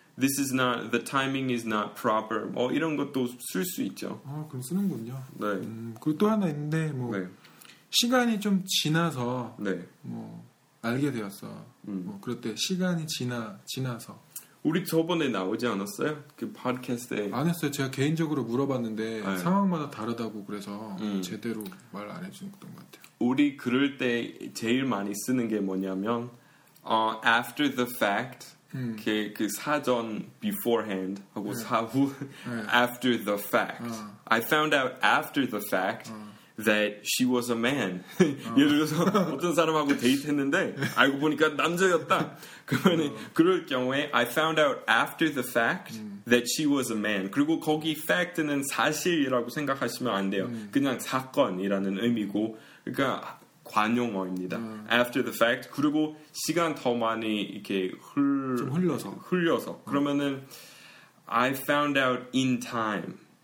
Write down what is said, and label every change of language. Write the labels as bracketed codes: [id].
[en] this is not, the timing is not proper. [ko] 뭐 이런 것도 쓸 수 있죠. 아, 그럼 쓰는군요. 네. 그리고 또 하나 있는데, 뭐, 네. 시간이 좀 지나서, 네. 뭐, 알게 되었어. 뭐, 그럴 때 시간이 지나서. 우리 저번에 나오지 않았어요? 그 팟캐스트에. 안 했어요. 제가 개인적으로 물어봤는데, 네. 상황마다 다르다고 그래서 제대로 말 안 해주셨던 것 같아요. 우리 그럴 때 제일 많이 쓰는 게 뭐냐면, [en] after the fact, [ko] 그 사전 beforehand 하고 네. 사후 네. [en] after the fact. 어. I found out after the fact that she was a man. [ko] 예를 들어서 어떤 사람하고 데이트했는데 알고 보니까 남자였다. 그러면 그럴 경우에 [en] I found out after the fact that she was a man. [ko] 그리고 거기 fact는 사실이라고 생각하시면 안 돼요. 그냥 사건이라는 의미고 그러니까 관용어입니다. [en] After the fact. [ko] 그리고 시간 더 많이 이렇게 흘려서. 그러면은 [en] I found out in time.